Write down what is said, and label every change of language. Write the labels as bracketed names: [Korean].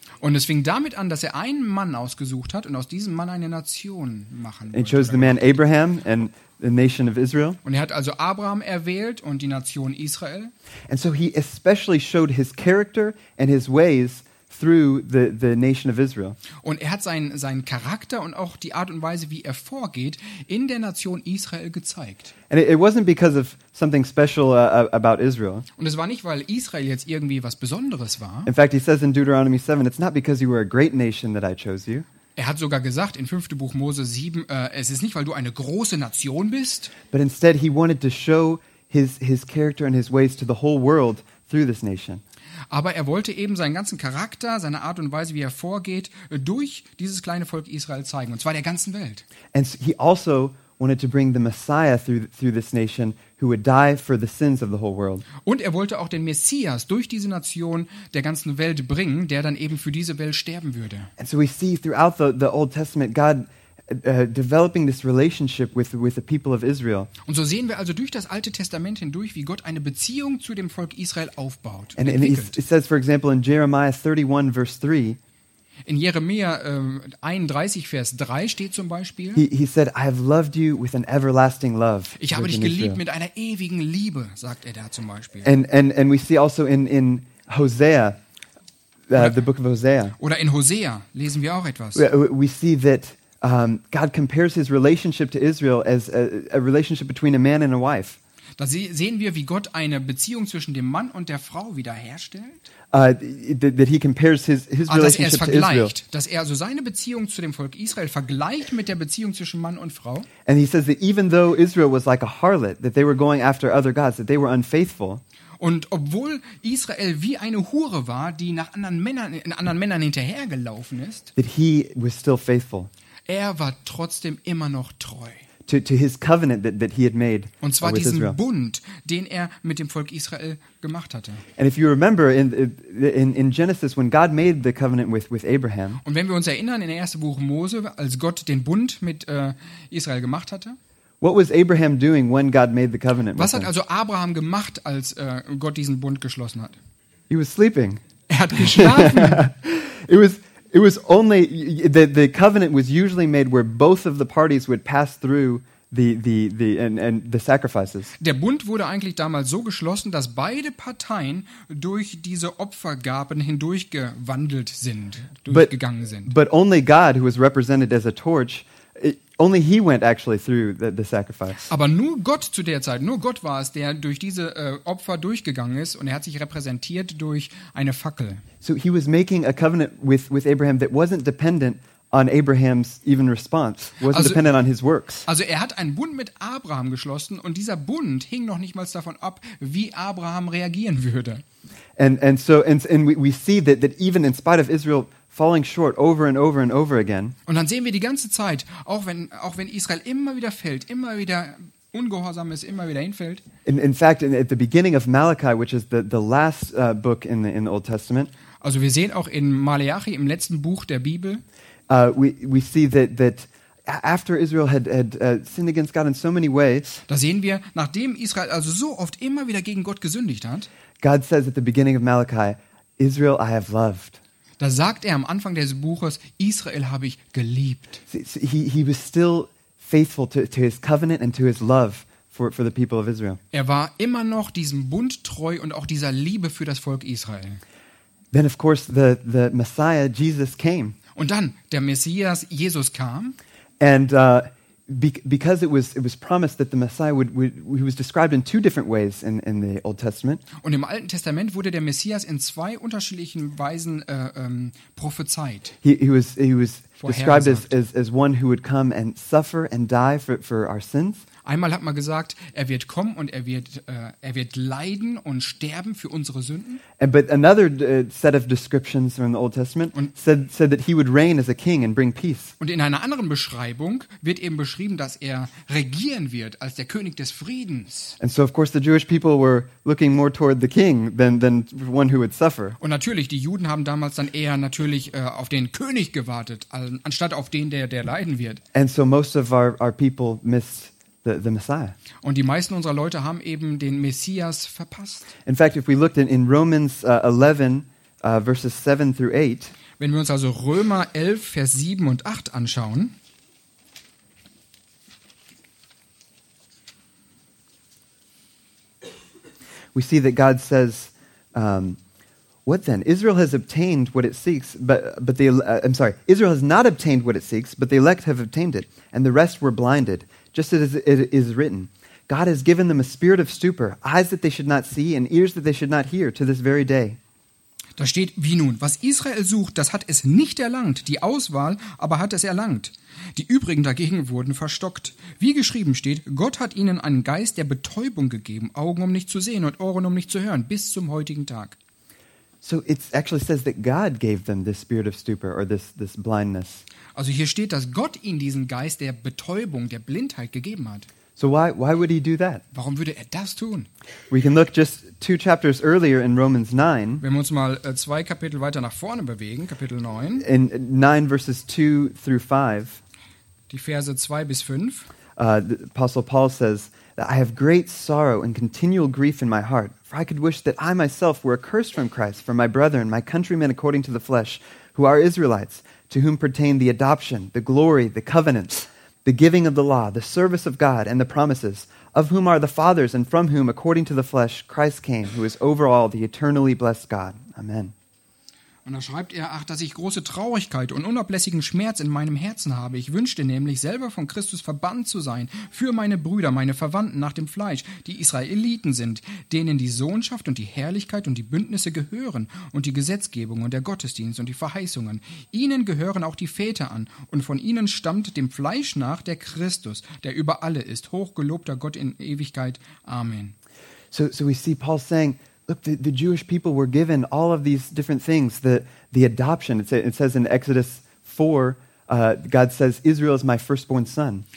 [German] Und es fing damit an, dass er einen Mann ausgesucht hat und aus diesem Mann eine Nation machen wollte. [English] He chose the man Abraham and the nation of Israel. [German] Und er hat also Abraham erwählt und die Nation Israel. [English] And so he especially showed his character and his ways through the nation of Israel. [German] Und er hat seinen Charakter und auch die Art und Weise, wie er vorgeht, in der Nation Israel gezeigt. [English] And it wasn't because of something special about Israel. [German] Und es war nicht, weil Israel jetzt irgendwie was Besonderes war. [English] In fact, he says in Deuteronomy 7, it's not because you were a great nation that I chose you. [German] Er hat sogar gesagt in 5. Buch Mose 7, es ist nicht, weil du eine große Nation bist. [English] But instead he wanted to show his character and his ways to the whole world through this nation. [German] Aber er wollte eben seinen ganzen Charakter, seine Art und Weise, wie er vorgeht, durch dieses kleine Volk Israel zeigen, und zwar der ganzen Welt. [English] And he also wanted to bring the Messiah through this nation, who would die for the sins of the whole world. [German] Und er wollte auch den Messias durch diese Nation der ganzen Welt bringen, der dann eben für diese Welt sterben würde. [English] And so we see throughout the Old Testament God developing this relationship with the people of Israel. [German] Und so sehen wir also durch das Alte Testament hindurch, wie Gott eine Beziehung zu dem Volk Israel aufbaut. [English] And it says, for example, in Jeremiah 31, verse 3. [German] In Jeremia 31, Vers 3 steht zum Beispiel. [English] He said, "I have loved you with an everlasting love." [German] Ich habe dich geliebt mit einer ewigen Liebe, sagt er da zum Beispiel. [English] And we see also in Hosea, the book of Hosea. [German] Oder in Hosea lesen wir auch etwas. [English] We see that God compares his relationship to Israel as a relationship between a man and a wife. [German] Da sehen wir, wie Gott eine Beziehung zwischen dem Mann und der Frau wiederherstellt. [English] That he compares his relationship to Israel. [German] Dass er also seine Beziehung zu dem Volk Israel vergleicht mit der Beziehung zwischen Mann und Frau. [English] And he says that even though Israel was like a harlot, that they were going after other gods, that they were unfaithful. [German] Und obwohl Israel wie eine Hure war, die nach anderen Männern hinterhergelaufen ist, [English] that he was still faithful. [German] Er war trotzdem immer noch treu. [English] To his covenant that he had made with Israel. [German] Und zwar diesen Bund, den er mit dem Volk Israel gemacht hatte. [English] And if you remember in Genesis when God made the covenant with Abraham. [German] Und wenn wir uns erinnern in der ersten Buch Mose, als Gott den Bund mit Israel gemacht hatte. [English] What was Abraham doing when God made the covenant with him? [German] Was hat also Abraham gemacht, als Gott diesen Bund geschlossen hat? [English] He was sleeping. [German] Er hat geschlafen. [English] It was only the covenant was usually made where both of the parties would pass through the and the sacrifices. [German] Der Bund wurde eigentlich damals so geschlossen, dass beide Parteien durch diese Opfergaben hindurchgewandelt sind, durchgegangen sind. [English] But only God, who was represented as a torch, only he went actually through the sacrifice. [German] Aber nur Gott zu der Zeit, nur Gott war es, der durch diese Opfer durchgegangen ist, und er hat sich repräsentiert durch eine Fackel. [English] So he was making a covenant with Abraham that wasn't dependent on Abraham's even response, wasn't dependent on his works. [German] Also er hat einen Bund mit Abraham geschlossen, und dieser Bund hing noch nicht mal davon ab, wie Abraham reagieren würde. [English] And so we see that even in spite of Israel falling short over and over and over again. [German] Und dann sehen wir die ganze Zeit, auch wenn Israel immer wieder fällt, immer wieder ungehorsam ist, immer wieder hinfällt. [English] In fact, at the beginning of Malachi, which is the last book in the Old Testament. [German] Also wir sehen auch in Malachi, im letzten Buch der Bibel. [English] We see that after Israel had sinned against God in so many ways. [German] Da sehen wir, nachdem Israel also so oft immer wieder gegen Gott gesündigt hat. [English] God says at the beginning of Malachi, Israel, I have loved. [German] Da sagt er am Anfang des Buches, Israel habe ich geliebt. [English] He was still faithful to his covenant and to his love for the people of Israel. [German] Er war immer noch diesem Bund treu und auch dieser Liebe für das Volk Israel. [English] Then of course the Messiah Jesus came. [German] Und dann der Messias Jesus kam. [English] And because it was promised that the Messiah would he was described in two different ways in the Old Testament. [German] Und im Alten Testament wurde der Messias in zwei unterschiedlichen Weisen prophezeit. [English] He was described as one who would come and suffer and die for our sins. [German] Einmal hat man gesagt, er wird kommen und er wird leiden und sterben für unsere Sünden. [English] But another set of descriptions from the Old Testament said that he would reign as a king and bring peace. [German] Und in einer anderen Beschreibung wird eben beschrieben, dass er regieren wird als der König des Friedens. [English] And so of course the Jewish people were looking more toward the king than one who would suffer. [German] Und natürlich die Juden haben damals dann eher natürlich auf den König gewartet, anstatt auf den, der leiden wird. [English] And so most of our people missed the Messiah. [German] Und die meisten unserer Leute haben eben den Messias verpasst. [English] In fact, if we looked in Romans 11 verses 7 through 8, [German] wenn wir uns also Römer 11 Vers 7 und 8 anschauen, [English] we see that God says what then? Israel has obtained what it seeks, but Israel has not obtained what it seeks, but the elect have obtained it, and the rest were blinded. Just as it is written, God has given them a spirit of stupor, eyes that they should not see and ears that they should not hear to this very day. [German] Da steht, wie nun, was Israel sucht, das hat es nicht erlangt, die Auswahl aber hat es erlangt. Die übrigen dagegen wurden verstockt. Wie geschrieben steht, Gott hat ihnen einen Geist der Betäubung gegeben, Augen um nicht zu sehen und Ohren um nicht zu hören, bis zum heutigen Tag. [English] So it actually says that God gave them this spirit of stupor or this blindness. [German] Also hier steht, dass Gott ihnen diesen Geist der Betäubung, der Blindheit gegeben hat. [English] So why would he do that? [German] Warum würde er das tun? [English] We can look just two chapters earlier in Romans 9. [German] Wenn wir uns mal zwei Kapitel weiter nach vorne bewegen, Kapitel 9. [English] In 9 verses 2 through 5. [German] Die Verse 2 bis 5. [English] The Apostle Paul says that I have great sorrow and continual grief in my heart. For I could wish that I myself were accursed from Christ for my brethren, my countrymen according to the flesh, who are Israelites, to whom pertain the adoption, the glory, the covenants, the giving of the law, the service of God, and the promises, of whom are the fathers, and from whom, according to the flesh, Christ came, who is over all the eternally blessed God. Amen. [German] Und da schreibt er, ach, dass ich große Traurigkeit und unablässigen Schmerz in meinem Herzen habe. Ich wünschte nämlich, selber von Christus verbannt zu sein, für meine Brüder, meine Verwandten nach dem Fleisch, die Israeliten sind, denen die Sohnschaft und die Herrlichkeit und die Bündnisse gehören und die Gesetzgebung und der Gottesdienst und die Verheißungen. Ihnen gehören auch die Väter an und von ihnen stammt dem Fleisch nach der Christus, der über alle ist, hochgelobter Gott in Ewigkeit. Amen. [English] So we see Paul saying, look, the Jewish people were given all of these different things. The adoption, it says in Exodus 4, God says, Israel is my firstborn son.